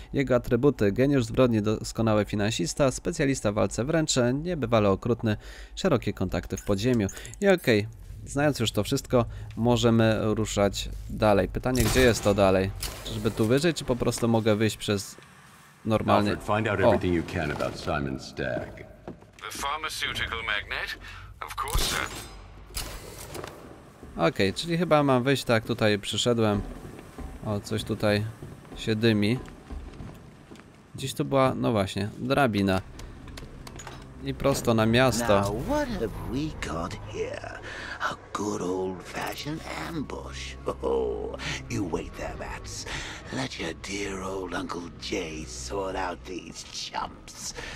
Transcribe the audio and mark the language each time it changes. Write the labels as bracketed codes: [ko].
[pl] Jego atrybuty: geniusz zbrodni, doskonały finansista, specjalista w walce wręcz, niebywale okrutny, szerokie kontakty w podziemiu. I okej, znając już to wszystko, możemy ruszać dalej. Pytanie, gdzie jest to dalej? Żeby tu wyżej, czy po prostu mogę wyjść przez normalny... [en] Alfred, find out everything you can about Simon Stagg. The pharmaceutical magnet? Of course, sir. [pl] Okej, czyli chyba mam wyjść tak, tutaj przyszedłem. O, coś tutaj się dymi. Gdzieś to była, no właśnie, drabina. I prosto na miasto. [en] Now, what have we got here? A good old fashioned ambush. Oh, you wait there, Bats. Let your dear old Uncle Jay sort out these chumps.